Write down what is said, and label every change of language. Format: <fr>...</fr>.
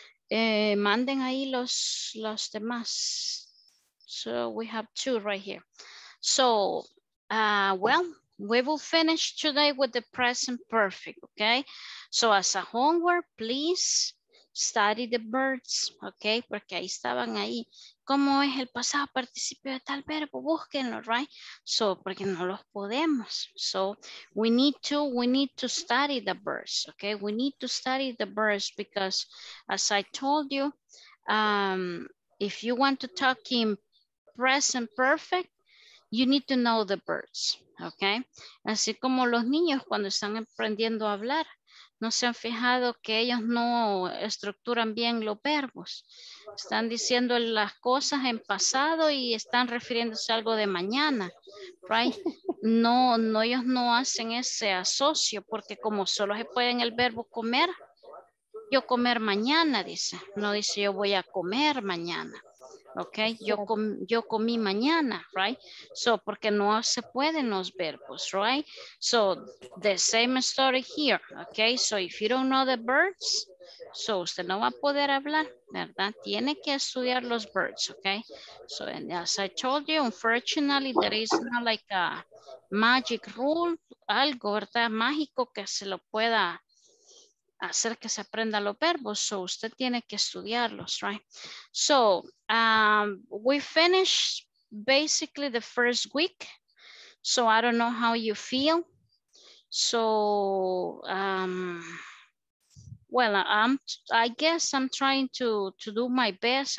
<es>Manden ahí los demás.</es> <en>So we have two right here. So, we will finish today with the present perfect, okay? So as a homework, please study the verbs, okay?</en> <es>Porque ahí estaban ahí. ¿Cómo es el pasado participio de tal verbo? Búsquenlo,</es> <en>right? So,</en> <es>porque no los podemos.</es> <en>So, we need to study the verbs, okay? We need to study the verbs because, as I told you, if you want to talk in present perfect, you need to know the verbs, okay?</en> <es>Así como los niños cuando están aprendiendo a hablar, no se han fijado que ellos no estructuran bien los verbos. Están diciendo las cosas en pasado y están refiriéndose a algo de mañana, right? No, ellos no hacen ese asocio porque como solo se puede en el verbo comer, yo comer mañana, dice. No dice yo voy a comer mañana. Okay, yo comí mañana, right? So, porque no se pueden los verbos, right?</es> <en>So, the same story here, okay? So, if you don't know the verbs, so</en> <es>usted no va a poder hablar, ¿verdad? Tiene que estudiar los verbs, okay?</es> <en>So, and as I told you, unfortunately, there is not like a magic rule,</en> <es>algo, ¿verdad? Mágico que se lo pueda hacer que se aprenda los verbos, so usted tiene que estudiarlos, right?</es> <en>So, we finished basically the first week, so I don't know how you feel. So, I guess I'm trying to do my best.</en>